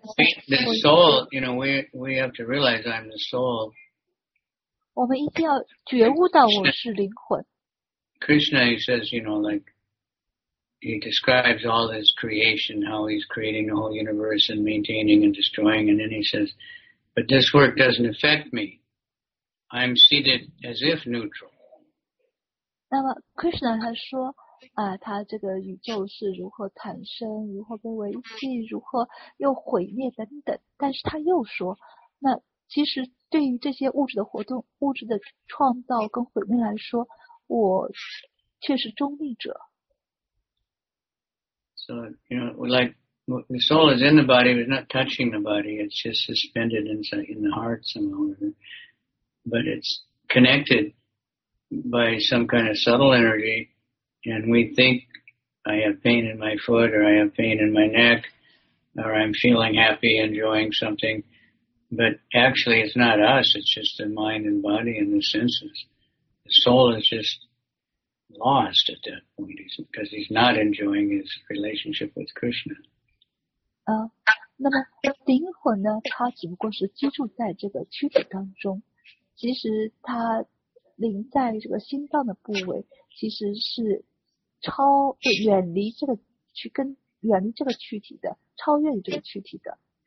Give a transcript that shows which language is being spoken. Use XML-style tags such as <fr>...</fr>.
<en>the soul, you know, we have to realize I'm the soul.</en> <zh>我们一定要觉悟到我是灵魂。</zh> <en>Krishna, he says, you know, like, he describes all his creation, how he's creating the whole universe and maintaining and destroying, and then he says, but this work doesn't affect me. I'm seated as if neutral.</en> <zh>那么 Krishna 他说啊，他这个宇宙是如何产生，如何被维系，如何又毁灭等等，但是他又说，那其实对于这些物质的活动，物质的创造跟毁灭来说，我却是中立者。</zh> <en>So, you know, like, the soul is in the body, but it's not touching the body, it's just suspended in the heart somewhere, but it's connected by some kind of subtle energy, and we think, I have pain in my foot, or I have pain in my neck, or I'm feeling happy, enjoying something, but actually it's not us, it's just the mind and body and the senses. The soul is just lost at that point, because he's not enjoying his relationship with Krishna.</en> <zh>那么灵魂呢，它只不过是居住在这个躯体当中，其实它灵在这个心脏的部位，其实是超远离这个躯，跟远离这个躯体的，超越于这个躯体的。</zh>